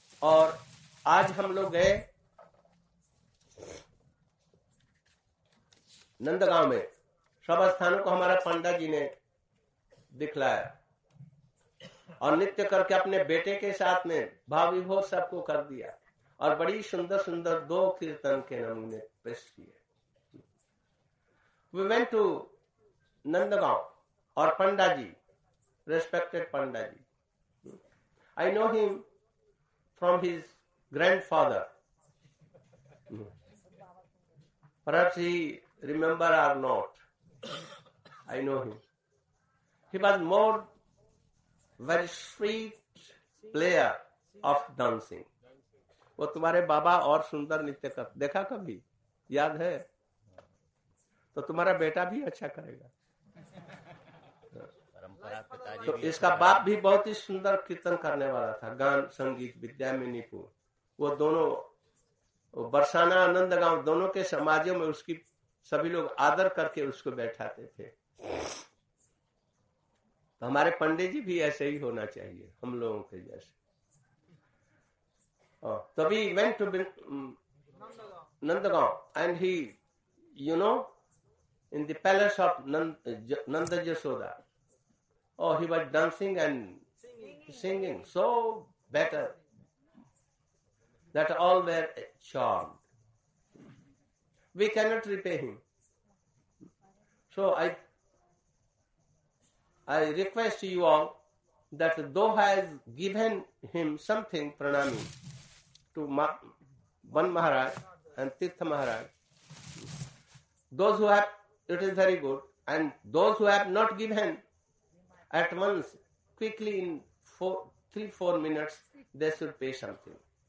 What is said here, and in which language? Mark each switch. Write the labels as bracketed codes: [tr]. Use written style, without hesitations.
[hi] और आज हम लोग गए नंदगांव में, सब स्थानों को हमारा पंडा जी ने दिखलाया और नृत्य करके अपने बेटे के साथ में भाव विभोर सबको कर दिया और बड़ी सुंदर सुंदर दो कीर्तन के नमूने पेश किए। [en] We went to Nandgaon और panda ji, respected panda ji, I know him from his grandfather, perhaps he remember or not, I know him, he was more very sweet player of dancing. [hi] वो तुम्हारे बाबा और सुंदर नृत्य कर देखा कभी, याद है? तो तुम्हारा बेटा भी अच्छा करेगा। तो इसका बाप भी बहुत ही सुंदर कीर्तन करने वाला था, गान संगीत विद्या में निपुण। वो दोनों बरसाना आनंदगांव दोनों के समाजों में उसकी सभी लोग आदर करके उसको बैठाते थे। तो हमारे पंडित जी भी ऐसे ही होना चाहिए हम लोगों के जैसे। [en] तभी went to Nandgaon and he you know in the palace of Nand Yashoda, oh he was dancing and singing so better that all were charmed. We cannot repay him. So I request you all that though I have given him something, pranami, to Van Maharaj and Tirtha Maharaj, those who have, it is very good, and those who have not given at once, quickly in 3-4 minutes, they should pay something.